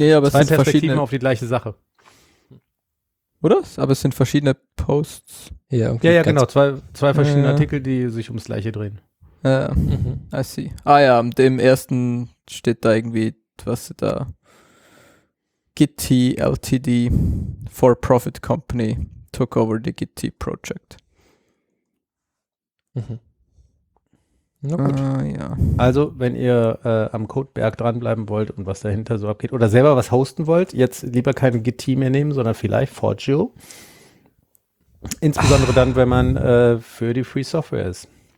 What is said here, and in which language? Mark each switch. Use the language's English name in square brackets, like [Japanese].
[German] Nee, aber es sind verschiedene auf die gleiche Sache. Oder? Aber es sind verschiedene Posts. Ja, irgendwie ja genau. Zwei verschiedene Artikel, die sich ums Gleiche drehen. [English] I see. [German] Ah ja, im ersten steht da irgendwie, was da. [English] Gitti LTD for-profit company took over the Gitti project. [German] Mhm. Na gut. Ja. Also, wenn ihr am Codeberg dranbleiben wollt und was dahinter so abgeht oder selber was hosten wollt, jetzt lieber kein Gitti mehr nehmen, sondern vielleicht Forgio. Insbesondere dann, wenn man für die Free Software ist.